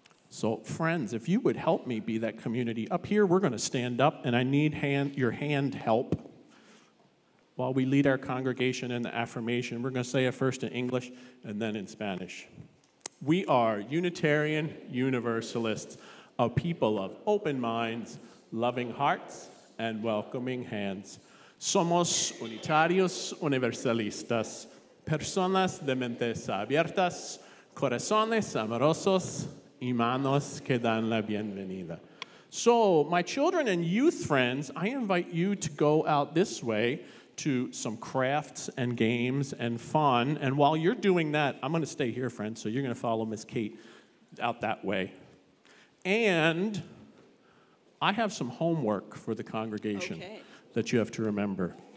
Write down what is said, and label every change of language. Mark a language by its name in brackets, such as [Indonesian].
[English] So friends, if you would help me be that community, up here we're going to stand up, and I need your hand help. While we lead our congregation in the affirmation, we're going to say it first in English and then in Spanish. We are Unitarian Universalists, a people of open minds, loving hearts, and welcoming hands. [Spanish] Somos Unitarios Universalistas, personas de mentes abiertas, corazones amorosos, y manos que dan la bienvenida. [English] So, my children and youth friends, I invite you to go out this way to some crafts and games and fun. And while you're doing that, I'm going to stay here, friends, so you're going to follow Miss Kate out that way. And I have some homework for the congregation that you have to remember.